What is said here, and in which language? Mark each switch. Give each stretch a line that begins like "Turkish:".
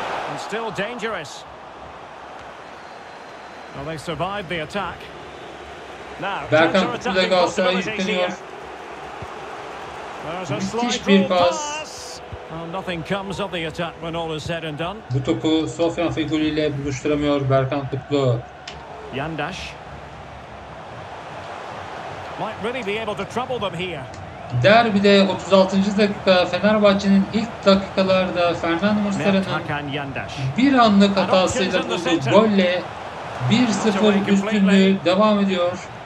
English: And still dangerous. Well, they survived the attack. Now,
Turkish: Berkan Kutlu'da Galatasaray'a yükleniyor. Müthiş bir pas.
English: Nothing comes of the attack when all is said and done.
Turkish: Bu topu Sofyan Feghouli ile buluşturamıyor Berkan Kutlu. Yandaş.
English: Might really be able to trouble them here.
Turkish: Derbide 36. dakika Fenerbahçe'nin ilk dakikalarda Fernando Muslera'nın bir anlık hatasıyla bulduğu golle 1-0 üstünlüğü devam ediyor.